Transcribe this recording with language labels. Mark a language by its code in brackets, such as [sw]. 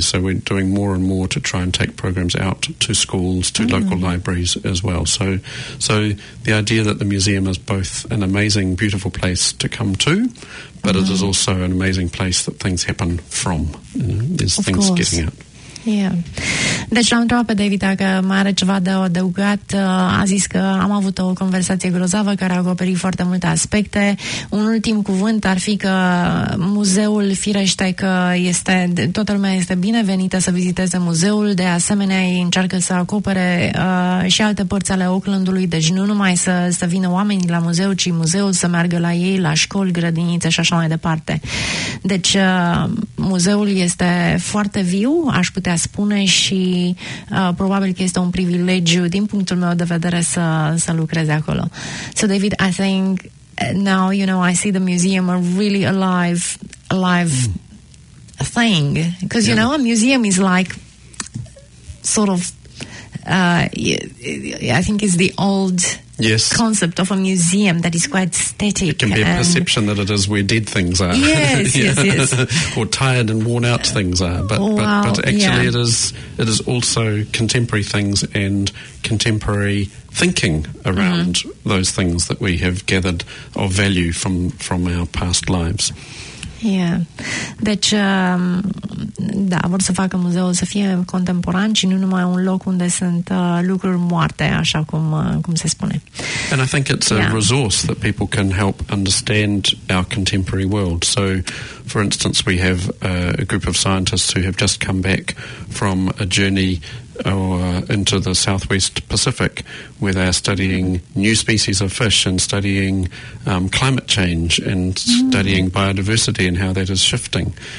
[en] So we're doing more and more to try and take programs out to schools, to local libraries as well. So the idea that the museum is both an amazing, beautiful place to come to, but it is also an amazing place that things happen from. You know, there's of things course. Getting out. Yeah. [ro] Deci l-am întrebat pe David dacă mai are ceva de adăugat. A zis că am avut o conversație grozavă care a acoperit foarte multe aspecte. Un ultim cuvânt ar fi că muzeul, firește că este, toată lumea este binevenită să viziteze muzeul, de asemenea ei încearcă să acopere și alte părți ale Oaklandului, deci nu numai să vină oamenii la muzeu, ci muzeul să meargă la ei, la școli, grădinițe și așa mai departe. Deci muzeul este foarte viu, aș putea spune, și probabil că este un privilegiu din punctul meu de vedere să lucreze acolo. [en] So David, I think now, you know, I see the museum a really alive thing. Because, you know, a museum is like sort of, I think it's the old concept of a museum that is quite static. It can be a perception that it is where dead things are. Yes. Or tired and worn out things are. But but actually it is also contemporary things and contemporary thinking around those things that we have gathered of value from our past lives. Yeah. [ro] Deci, da, vor să facă muzeul să fie contemporan și nu numai un loc unde sunt lucruri moarte, așa cum se spune. [en] And I think it's a resource that people can help understand our contemporary world. So, for instance, we have a group of scientists who have just come back from a journey into the Southwest Pacific, where they are studying new species of fish and studying climate change and studying biodiversity and how that is shifting.